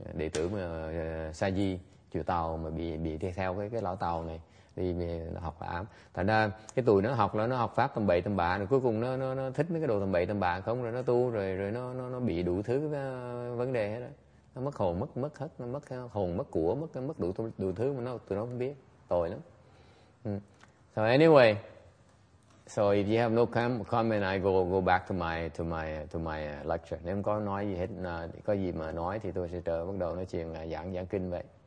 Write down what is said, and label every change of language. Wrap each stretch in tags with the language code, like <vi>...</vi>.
<vi>Đệ tử mà Saji, chủ tàu mà bị theo cái lão tàu này đi học ám. Thành ra cái tụi nó học là nó học pháp tầm bậy tầm bạ, rồi cuối cùng nó thích mấy cái đồ tầm bậy tầm bạ không, rồi nó tu rồi nó bị đủ thứ vấn đề hết đó. Nó mất hồn, mất hết, nó mất hồn, mất của, mất đủ thứ mà tụi nó không biết, tội lắm.</vi> <en>So anyway, so if you have no comment, I go back to my lecture.</en> <vi>Nếu không có nói gì hết, có gì mà nói thì tôi sẽ trở bắt đầu nói chuyện giảng kinh vậy.</vi>